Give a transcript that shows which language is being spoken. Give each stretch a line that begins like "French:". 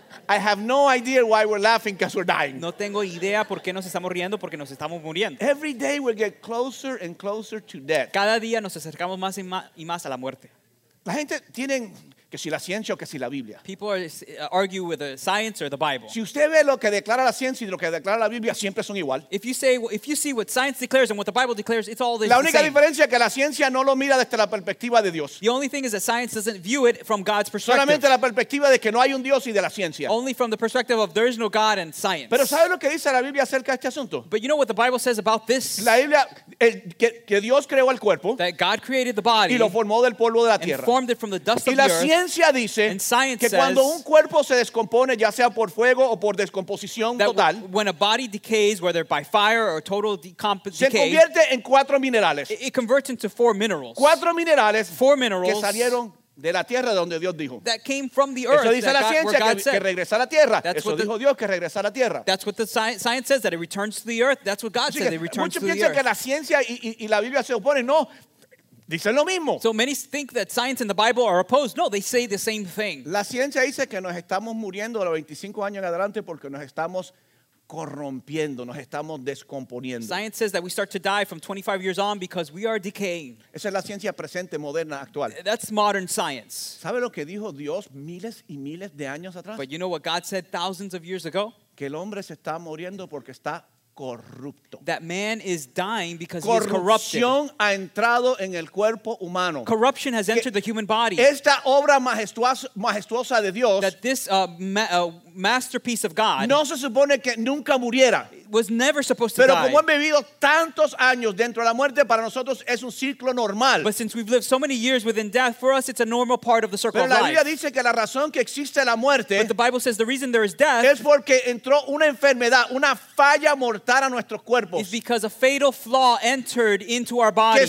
English: I have no idea why we're laughing because we're dying.
Spanish: No tengo idea por qué nos estamos riendo porque nos estamos muriendo.
English: Every day we get closer and closer to death.
Spanish: Cada día nos acercamos más y más a la muerte. La gente tienen que si la ciencia o que si la Biblia.
English: People argue with the science or the Bible.
Spanish: Si usted ve lo que declara la ciencia y lo que declara la Biblia siempre son igual.
English: If you see what science declares and what the Bible declares, it's all the same.
Spanish: La única diferencia es que la ciencia no lo mira desde la perspectiva de Dios.
English: The only thing is that science doesn't view it from God's perspective.
Spanish: Solamente la perspectiva de que no hay un Dios y de la ciencia.
English: Only from the perspective of there is no God and science.
Spanish: Pero ¿sabe lo que dice la Biblia acerca de este asunto?
English: But you know what the Bible says about this?
Spanish: La Biblia que Dios creó el cuerpo.
English: That God created the body.
Spanish: Y lo formó del polvo de la tierra.
English: And formed it from the dust of the earth.
Spanish: Y la ciencia dice que cuando un cuerpo se descompone, ya sea por fuego o por descomposición total,
English: when a body decays, whether by fire or total decomposition,
Spanish: se convierte en cuatro minerales.
English: It converts into four minerals.
Spanish: Cuatro minerales,
English: four minerals
Spanish: que salieron de la tierra donde Dios dijo.
English: That came from the earth.
Spanish: Eso dice la ciencia que regresa a la tierra.
English: That's
Spanish: eso dijo Dios que regresa a la tierra.
English: That's what the science says, that it returns to the earth. That's what God said, it returns to the earth.
Spanish: Muchos piensan que la ciencia y la Biblia se oponen. No. Dicen lo mismo.
English: So many think that science and the Bible are opposed. No, they say the same thing.
Spanish: La ciencia dice que nos estamos muriendo a los 25 años en adelante porque nos estamos corrompiendo, nos estamos descomponiendo.
English: Science says that we start to die from 25 years on because we are decaying.
Spanish: Esa es la ciencia presente, moderna, actual.
English: That's modern science.
Spanish: ¿Sabe lo que dijo Dios miles y miles de años atrás?
English: But you know what God said thousands of years ago?
Spanish: Que el hombre se está muriendo porque está corrupto.
English: That man is dying because
Spanish: corrupción
English: he is corrupted.
Spanish: Ha entrado en el cuerpo humano.
English: Corruption has entered the human body.
Spanish: Esta obra majestuosa de Dios,
English: that this masterpiece of God,
Spanish: no se supone que nunca muriera.
English: Was never supposed to
Spanish: pero
English: die.
Spanish: Pero como han vivido tantos años dentro de la muerte, para nosotros es un ciclo normal.
English: But since we've lived so many years within death, for us it's a normal part of the circle
Spanish: pero
English: of life.
Spanish: La Biblia dice que la razón que existe la muerte,
English: but the Bible says the reason there is death,
Spanish: es porque entró una enfermedad, una falla mortal.
English: Is because a fatal flaw entered into our bodies.